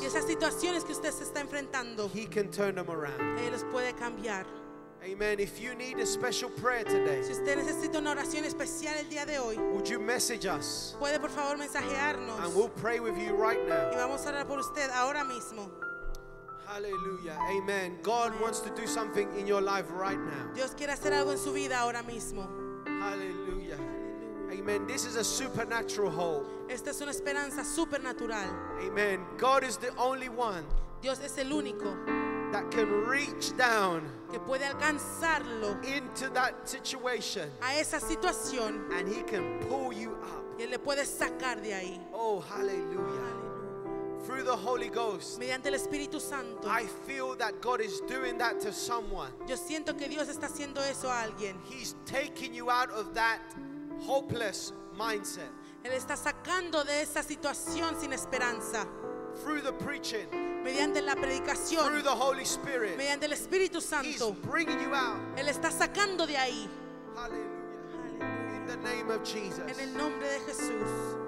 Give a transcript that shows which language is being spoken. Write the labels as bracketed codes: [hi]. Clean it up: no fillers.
[es] Y esas situaciones que usted se está enfrentando. [en] He can turn them around. [es] Él los puede cambiar. [en] Amen. If you need a special prayer today. [es] Si usted necesita una oración especial el día de hoy. [en] Would you message us? [es] Puede por favor mensajearnos. [en] And we'll pray with you right now. [es] Y vamos a orar por usted ahora mismo. [en] Hallelujah. Amen. God wants to do something in your life right now. [es] Dios quiere hacer algo en su vida ahora mismo. [en] Hallelujah. Amen. This is a supernatural hope. [es] Esta es una esperanza supernatural. [en] Amen. God is the only one. [es] Dios es el único. [en] That can reach down. [es] Que puede alcanzarlo. [en] Into that situation. [es] A esa situación. [en] And he can pull you up. [es] Y él le puede sacar de ahí. [en] Oh, hallelujah. Through the Holy Ghost. [es] Mediante el Espíritu Santo. [en] I feel that God is doing that to someone. [es] Yo siento que Dios está haciendo eso a alguien. [en] He's taking you out of that hopeless mindset. [es] Él está sacando de esa situación sin esperanza. [en] Through the preaching. [es] Mediante la predicación. [en] Through the Holy Spirit. [es] Mediante el Espíritu Santo. [en] He's bringing you out. [es] Él está sacando de ahí. [en] Hallelujah. Hallelujah. In the name of Jesus. [es] En el nombre de Jesús.